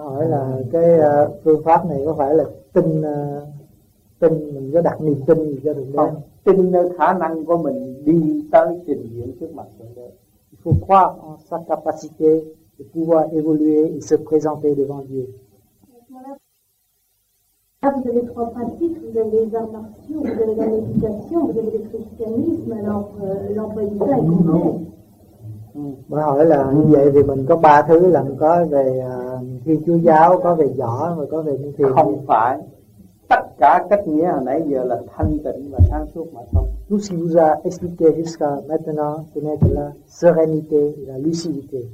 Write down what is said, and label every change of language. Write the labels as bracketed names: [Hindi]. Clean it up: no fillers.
[Vietnamese] Là cái phương pháp này có phải là tin, tin mình có đặt niềm tin gì cho được không? Tin khả năng của mình đi tới trình diễn trước mặt Thượng Đế. [French] Il faut croire en sa capacité de pouvoir évoluer et se présenter devant Dieu. Là, vous avez trois pratiques, vous avez les arts martiaux, vous avez la méditation, vous avez le christianisme, alors l'emploi du temps est complet. [Vietnamese] Bởi hỏi là như vậy thì mình có ba thứ, là mình có về Thiên Chúa giáo, có về võ, và có về những thiền. Không phải. Tất cả cách nghĩa hồi nãy giờ là thanh tịnh và sáng suốt mà thôi. [French] Tout ce qui vous a expliqué jusqu'à maintenant, ce n'est que la sérénité et la lucidité.